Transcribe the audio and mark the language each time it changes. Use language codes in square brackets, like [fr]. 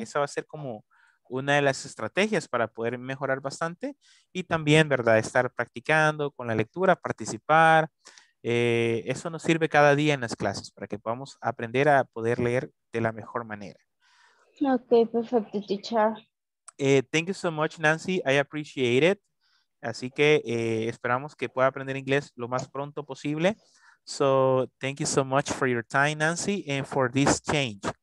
[es] Esa va a ser como una de las estrategias para poder mejorar bastante y también, ¿verdad?, estar practicando con la lectura, participar. Eso nos sirve cada día en las clases para que podamos aprender a poder leer de la mejor manera. [en] Okay, perfecto, teacher. Thank you so much, Nancy. I appreciate it. [es] Así que esperamos que pueda aprender inglés lo más pronto posible. [en] So, thank you so much for your time, Nancy, and for this change.